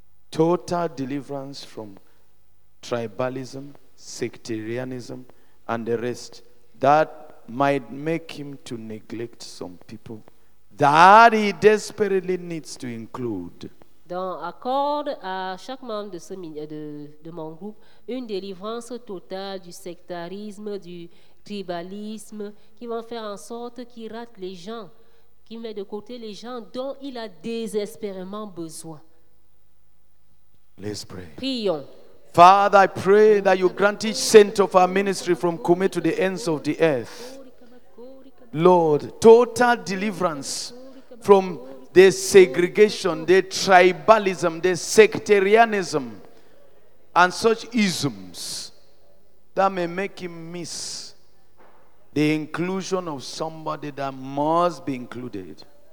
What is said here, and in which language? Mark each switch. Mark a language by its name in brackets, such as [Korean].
[English] total deliverance from tribalism, sectarianism, and the rest that might make him to neglect some people that he desperately needs to include. [French] Donc, accorde à chaque membre de, de mon groupe une délivrance totale du sectarisme, du tribalisme, qui vont faire en sorte qu'il rate les gens, qu'il met de côté les gens dont il a désespérément besoin. [English] Let's pray. [French] Prions. [English] Father, I pray that you grant each saint of our ministry from Kume to the ends of the earth. Lord, total deliverance from the segregation, the tribalism, the sectarianism, and such isms that may make him miss the inclusion of somebody that must be included.